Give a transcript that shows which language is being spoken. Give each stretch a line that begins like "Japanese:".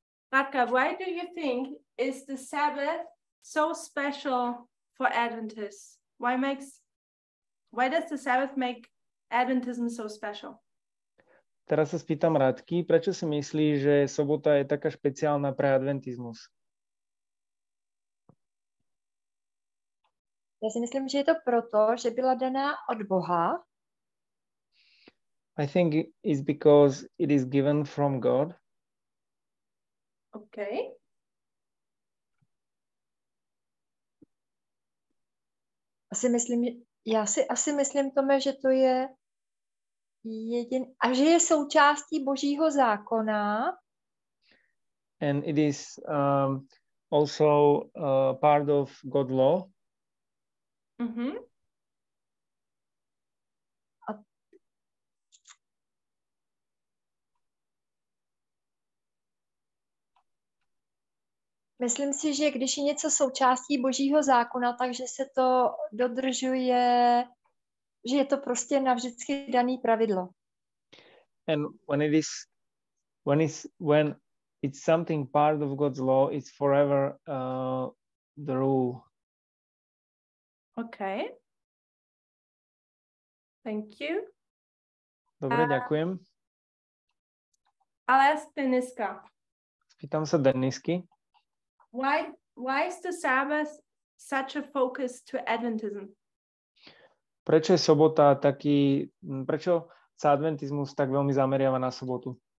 English: Radka, why do you think is the Sabbath so special for Adventists? Why does the Sabbath make Adventism so special?
Slovak: Teraz sa spýtam Radky, prečo si myslí, že sobota je taká špeciálna pre Adventizmus?
Czech: Ja si myslím, že je to proto, že byla daná od Boha.
English: I think it's because it is given from God. Okay.
Czech: Já si myslím, Tome, že to je jediný, a že je součástí Božího zákona.
English: And it is also part of God's law. Mm-hmm.
Czech: Myslím si, že když je něco součástí Božího zákona, takže se to dodržuje, že je to prostě navždycky daný pravidlo.
English: And when it's something part of God's law, it's forever the rule. Okay. Thank you.
Slovak: Dobre, ďakujem.
English: I'll ask Deniska.
Slovak: Spýtam sa Denisky.
English: Why is the Sabbath such a focus to Adventism?
Slovak: Prečo je sobota taký, prečo sa adventizmus tak veľmi zameriava na sobotu?